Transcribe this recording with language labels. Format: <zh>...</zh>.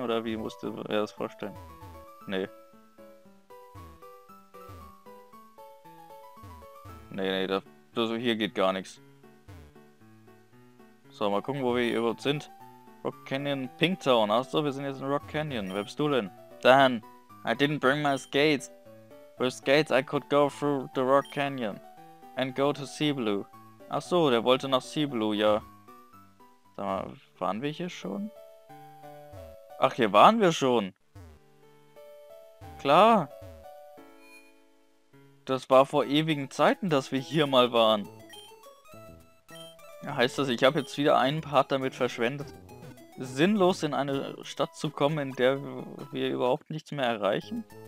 <de>Oder wie musst du dir das vorstellen? Nee. Nee, das hier geht gar nichts. So, mal gucken, wo wir hier überhaupt sind. Rock Canyon, Pinktown. Achso, wir sind jetzt in Rock Canyon. Wer bist du denn?</de> <en>Dan, I didn't bring my skates. With skates I could go through the Rock Canyon and go to Sea Blue.</en> <de>Achso, der wollte nach Sea Blue, ja. Sag mal, waren wir hier schon? Ach, hier waren wir schon. Klar. Das war vor ewigen Zeiten, dass wir hier mal waren. Heißt das, ich habe jetzt wieder einen Part damit verschwendet, sinnlos in eine Stadt zu kommen, in der wir überhaupt nichts mehr erreichen?</de>